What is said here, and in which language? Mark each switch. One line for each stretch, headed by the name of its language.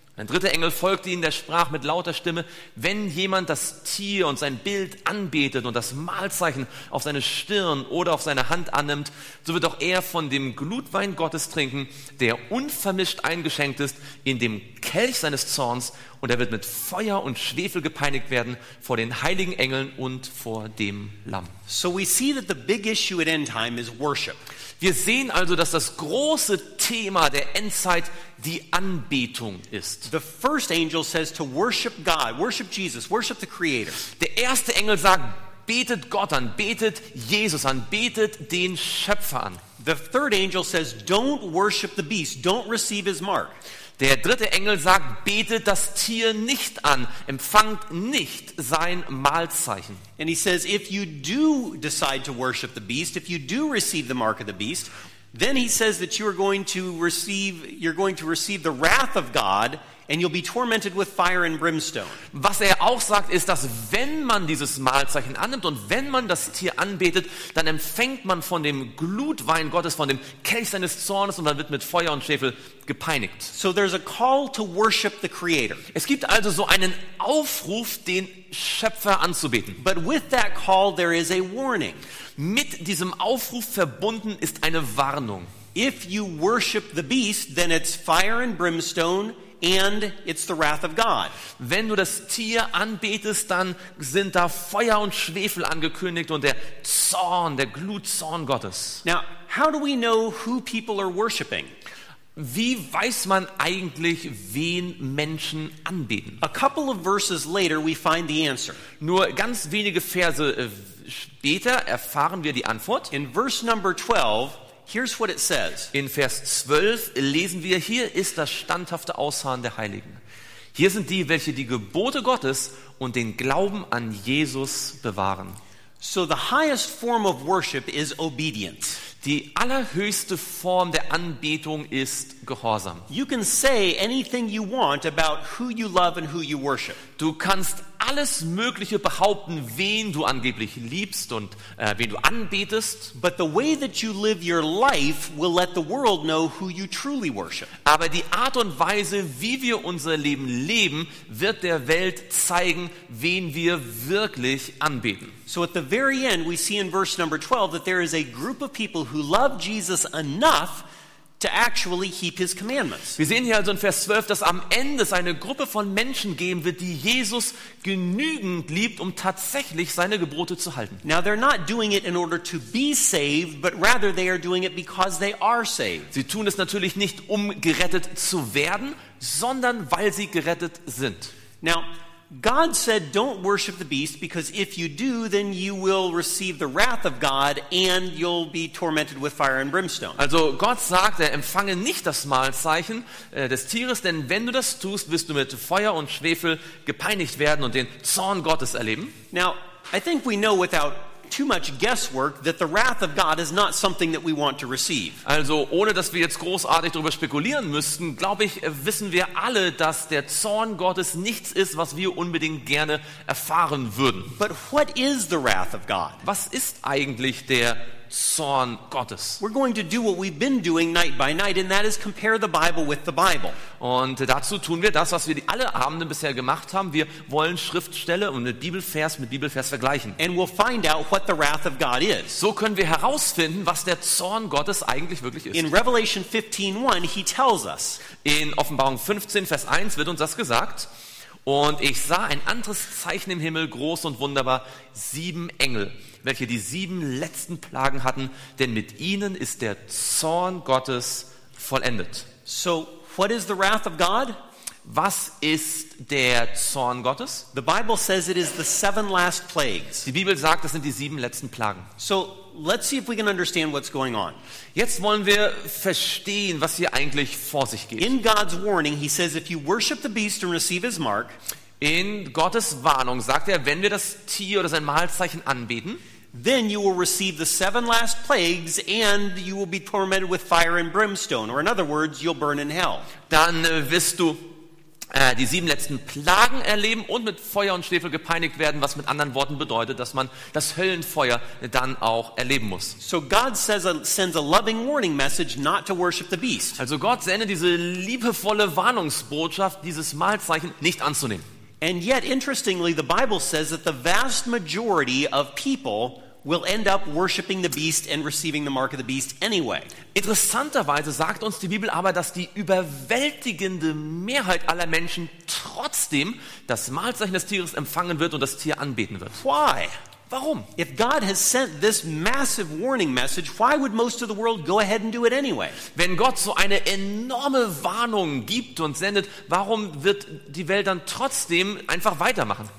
German: Ein dritter Engel folgte ihm, der sprach mit lauter Stimme, wenn jemand das Tier und sein Bild anbetet und das Mahlzeichen auf seine Stirn oder auf seine Hand annimmt, so wird auch er von dem Glutwein Gottes trinken, der unvermischt eingeschenkt ist in dem Kelch seines Zorns, und er wird mit Feuer und Schwefel gepeinigt werden vor den heiligen Engeln und vor dem Lamm.
English: So we see that the big issue at end time is worship.
German: Wir sehen also, dass das große Thema der Endzeit die Anbetung ist.
English: The first angel says to worship God, worship Jesus, worship the Creator.
German: Der erste Engel sagt, betet Gott an, betet Jesus an, betet den Schöpfer an.
English: The third angel says, don't worship the beast, don't receive his mark.
German: Der dritte Engel sagt, betet das Tier nicht an, empfangt nicht sein Mahlzeichen.
English: And he says, if you do decide to worship the beast, if you do receive the mark of the beast, then he says that you are going to receive, you're going to receive the wrath of God, and you'll be tormented with fire and brimstone.
German: Was er auch sagt, ist, dass wenn man dieses Mahlzeichen annimmt und wenn man das Tier anbetet, dann empfängt man von dem Glutwein Gottes, von dem Kelch seines Zornes, und man wird mit Feuer und Schwefel gepeinigt.
English: So there's a call to worship the Creator.
German: Es gibt also so einen Aufruf, den Schöpfer anzubeten.
English: But with that call there is a warning.
German: Mit diesem Aufruf verbunden ist eine Warnung.
English: If you worship the beast, then it's fire and brimstone, and it's the wrath of God.
German: Wenn du das Tier anbetest, dann sind da Feuer und Schwefel angekündigt und der Zorn, der Glutzorn Gottes.
English: Now, how do we know who people are worshiping?
German: Wie weiß man eigentlich, wen Menschen anbeten?
English: A couple of verses later we find the answer.
German: Nur ganz wenige Verse später erfahren wir die Antwort.
English: In verse number 12, here's what it says.
German: In Vers 12 lesen wir, hier ist das standhafte Ausharren der Heiligen. Hier sind die, welche die Gebote Gottes und den Glauben an Jesus bewahren.
English: So the highest form of worship is obedience.
German: Die allerhöchste Form der Anbetung ist Gehorsam.
English: You can say anything you want about who you love and who you worship.
German: Du kannst alles Mögliche behaupten, wen du angeblich liebst und wen du anbetest.
English: But the way that you live your life will let the world know who you truly worship.
German: Aber die Art und Weise, wie wir unser Leben leben, wird der Welt zeigen, wen wir wirklich anbeten.
English: So at the very end we see in verse number 12 that there is a group of people who love Jesus enough to actually keep his commandments.
German: Wir sehen hier also in Vers 12, dass am Ende es eine Gruppe von Menschen geben wird, die Jesus genügend liebt, um tatsächlich seine Gebote zu halten.
English: Now they're not doing it in order to be saved, but rather they are doing it because they are saved.
German: Sie tun es natürlich nicht, um gerettet zu werden, sondern weil sie gerettet sind.
English: Now God said, don't worship the beast, because if you do, then you will receive the wrath of God and you'll be tormented with fire and brimstone.
German: Also Gott sagt, empfange nicht das Mahlzeichen des Tieres, denn wenn du das tust, wirst du mit Feuer und Schwefel gepeinigt werden und den Zorn Gottes erleben.
English: Now, I think we know without too much guesswork that the wrath of God is not something that we want to receive.
German: Also ohne dass wir jetzt großartig darüber spekulieren müssten, glaube ich, wissen wir alle, dass der Zorn Gottes nichts ist, was wir unbedingt gerne erfahren würden.
English: But what is the wrath of God?
German: Was ist eigentlich der Zorn Gottes.
English: We're going to do what we've been doing night by night, and that is compare the Bible with the Bible.
German: Und dazu tun wir das, was wir alle Abende bisher gemacht haben. Wir wollen Schriftstelle und Bibelvers mit Bibelvers vergleichen.
English: And we'll find out what the wrath of God is.
German: So können wir herausfinden, was der Zorn Gottes eigentlich wirklich ist.
English: In Revelation 15:1, he tells us.
German: In Offenbarung 15, Vers 1 wird uns das gesagt. Und ich sah ein anderes Zeichen im Himmel, groß und wunderbar, 7 Engel, welche die 7 letzten Plagen hatten, denn mit ihnen ist der Zorn Gottes vollendet.
English: So, what is the wrath of God?
German: Was ist der Zorn Gottes?
English: The Bible says it is the 7 last plagues.
German: Die Bibel sagt, das sind die 7 letzten Plagen.
English: So, let's see if we can understand what's going on.
German: Jetzt wollen wir verstehen, was hier eigentlich vor sich geht.
English: In God's warning, he says if you worship the beast and receive his mark,
German: in Gottes Warnung sagt er, wenn wir das Tier oder sein Malzeichen anbeten,
English: then you will receive the 7 last plagues and you will be tormented with fire and brimstone, or in other words, you'll burn in hell.
German: Dann wirst du die 7 letzten Plagen erleben und mit Feuer und Schwefel gepeinigt werden, was mit anderen Worten bedeutet, dass man das Höllenfeuer dann auch erleben muss.
English: So God sends a loving warning message not to worship the beast.
German: Also Gott sendet diese liebevolle Warnungsbotschaft, dieses Malzeichen nicht anzunehmen.
English: And yet interestingly the Bible says that the vast majority of people will end up worshiping the beast and receiving the mark of the beast anyway.
German: Interessanterweise sagt uns die Bibel aber, dass die überwältigende Mehrheit aller Menschen trotzdem das Malzeichen des Tieres empfangen wird und das Tier anbeten wird.
English: Why?
German: Warum?
English: If God has sent this massive warning message, why would most of the world go ahead and do it anyway?
German: Wenn Gott so eine enorme Warnung gibt und sendet, warum wird die Welt dann trotzdem einfach weitermachen?